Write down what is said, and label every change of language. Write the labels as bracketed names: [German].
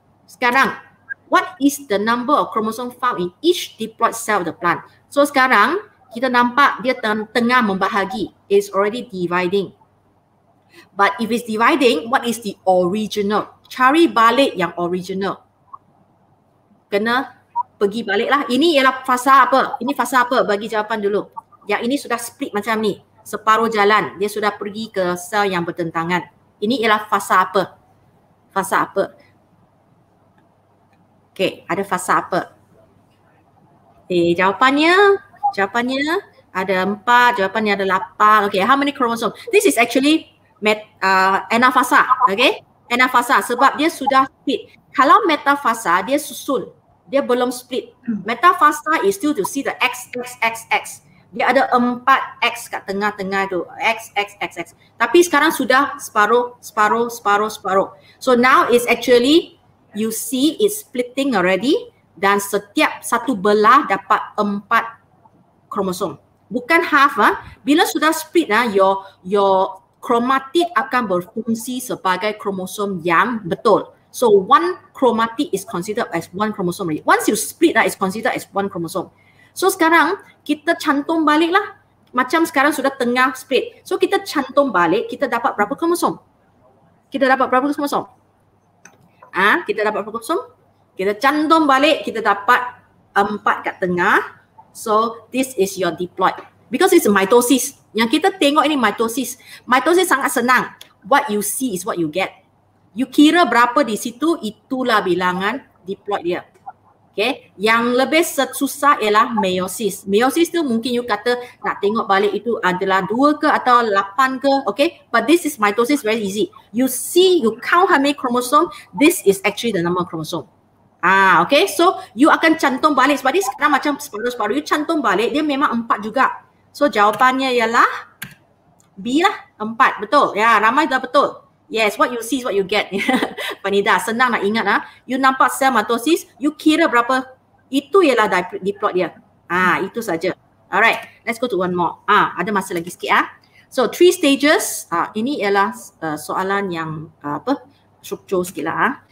[English] Sekarang, what is the number of chromosome found in each diploid cell of the plant? [Malay] So sekarang, kita nampak dia tengah membahagi, [English] is already dividing. But if it's dividing, what is the original? [Malay] Cari balik yang original. Kena pergi baliklah. Ini ialah fasa apa? Ini fasa apa? Bagi jawapan dulu. Yang ini sudah split macam ni. Separuh jalan. Dia sudah pergi ke sel yang bertentangan. Ini ialah fasa apa? Fasa apa? Okay. Ada fasa apa? Okay. Jawapannya. Jawapannya ada 4. Jawapannya ada 8. Okay. [English] How many chromosomes? This is actually anafasa. Okay. Anafasa. [Malay] Sebab dia sudah split. Kalau metafasa, dia susun. Dia belum split. Metafasa [English] is still to see the [Malay] X, X, X, X. Dia ada 4 X kat tengah-tengah tu. X, X, X, X. Tapi sekarang sudah separuh, separuh, [English] separuh, separuh. So now is actually, you see it's splitting already. [Malay] Dan setiap satu belah dapat 4 kromosom. Bukan half lah. Bila sudah split lah, your chromatid akan berfungsi sebagai kromosom yang betul. [English] So one chromatid is considered as one chromosome. Once you split that, it's considered as one chromosome. [Malay] So sekarang kita cantum balik lah. Macam sekarang sudah tengah split. So kita cantum balik, kita dapat berapa kromosom? Kita dapat berapa kromosom? Kita dapat berapa kromosom? Kita cantum balik, kita dapat 4 kat tengah. [English] So this is your diploid. Because it's a mitosis. [Malay] Yang kita tengok ini mitosis. Mitosis sangat senang. [English] What you see is what you get. [Malay] You kira berapa di situ, itulah bilangan diploid dia. Okay. Yang lebih susah ialah meiosis. Meiosis tu mungkin you kata nak tengok balik itu adalah 2 ke atau 8 ke. Okay. [English] But this is mitosis very easy. You see, you count how many chromosome. This is actually the number of chromosome. [Malay] Okay. So you akan cantum balik. Sebab ni sekarang macam separuh-separuh. You cantum balik, dia memang 4 juga. So jawapannya ialah B lah. 4. Betul. Ya, ramai dah betul. [English] Yes, what you see is what you get. [Malay] Panida, senang nak ingat lah. You nampak sel mitosis, you kira berapa. Itu ialah diploid dia. Itu saja. [English] Alright, let's go to one more. [Malay] Ada masa lagi sikit lah. So, 3 stages. Ini ialah soalan yang struktur sikit lah.